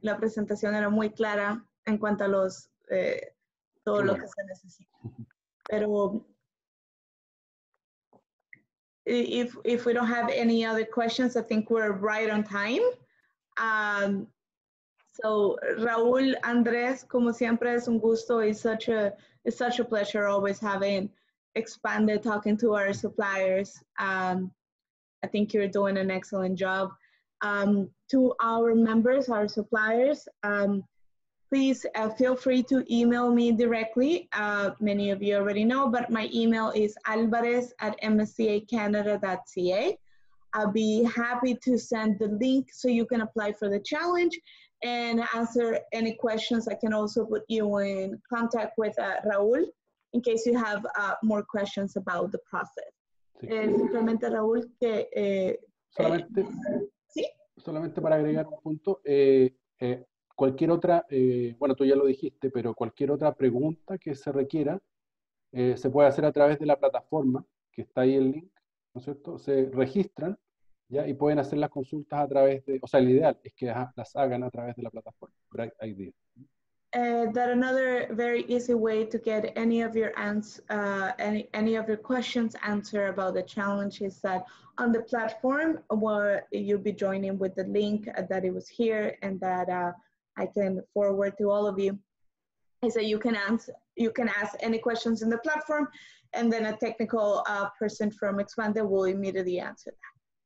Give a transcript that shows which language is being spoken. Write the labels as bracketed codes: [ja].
[es] La presentación era muy clara en cuanto a los todo lo que se necesita. Pero [en] if we don't have any other questions, I think we're right on time. So [es] Raúl, Andrés, como siempre es un gusto. [en] It's such a pleasure always having Expande talking to our suppliers. I think you're doing an excellent job. To our members, our suppliers, please feel free to email me directly. Many of you already know, but my email is alvarez@mscacanada.ca. I'll be happy to send the link so you can apply for the challenge and answer any questions. I can also put you in contact with Raúl in case you have more questions about the process. [es] Simplemente, Raúl, que... Solamente para agregar un punto, cualquier otra, bueno, tú ya lo dijiste, pero cualquier otra pregunta que se requiera, se puede hacer a través de la plataforma, que está ahí el link, ¿no es cierto? Se registran, ¿ya? Y pueden hacer las consultas a través de, o sea, el ideal es que las hagan a través de la plataforma. [en] Great idea. That another very easy way to get any of your any of your questions answered about the challenge is that on the platform where you'll be joining with the link that it was here and that I can forward to all of you, is that you can ask any questions in the platform, and then a technical person from Expande will immediately answer that.